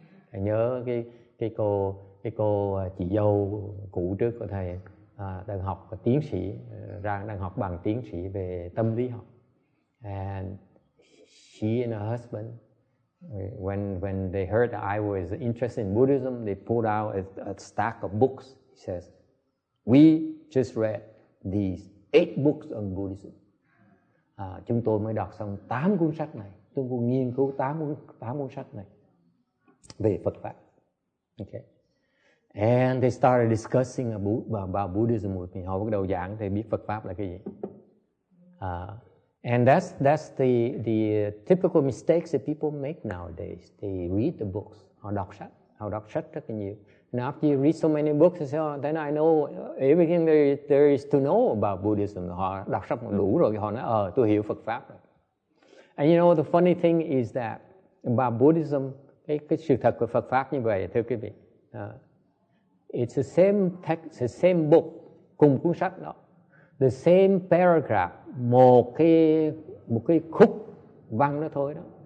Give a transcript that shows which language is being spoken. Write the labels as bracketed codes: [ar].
[vi] Anh nhớ cái cô chị dâu cũ trước của thầy đang học tiến sĩ, đang học bằng tiến sĩ về tâm lý học. [en] And she and her husband, when they heard that I was interested in Buddhism, they pulled out a stack of books. He says, "We just read these 8 books on Buddhism." [vi] Chúng tôi mới đọc xong 8 cuốn sách này. Tôi cũng nghiên cứu 8 cuốn sách này về Phật pháp. Okay. [en] And they started discussing about Buddhism with me. [vi] Họ bắt đầu giảng thì biết Phật pháp là cái gì. [en] And that's the typical mistakes that people make nowadays. They read the books. [vi] Họ đọc sách rất là nhiều. [en] And after you read so many books, they say, "Then I know everything there is to know about Buddhism." [vi] Họ đọc sách đủ rồi, họ nói, tôi hiểu Phật pháp rồi. [en] And you know, the funny thing is that about Buddhism, [vi] cái sự thật của Phật pháp như vậy, thưa quý vị. [en] It's the same text, the same book, [vi] cùng cuốn sách đó. [en] The same paragraph, [vi] một cái khúc văn đó thôi đó.